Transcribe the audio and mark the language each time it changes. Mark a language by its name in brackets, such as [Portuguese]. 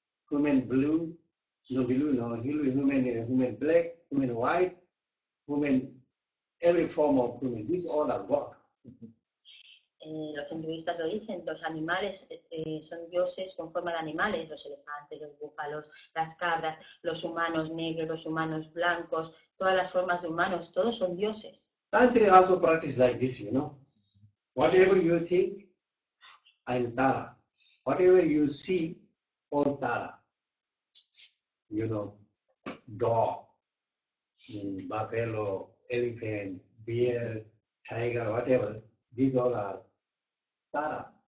[English] Human blue, no, human black, human white, human, every form of human, this all are God. [Spanish] Los hinduistas lo dicen, los animales son dioses con forma de animales, los elefantes, los búfalos, las cabras, los humanos negros, los humanos blancos, todas las formas de humanos, todos son dioses. [English] Tantra also practice like this, you know. Whatever you think, I'm Tara. Whatever you see, all Tara. You know, dog, buffalo, elephant, bear, tiger, whatever, these all are Tara.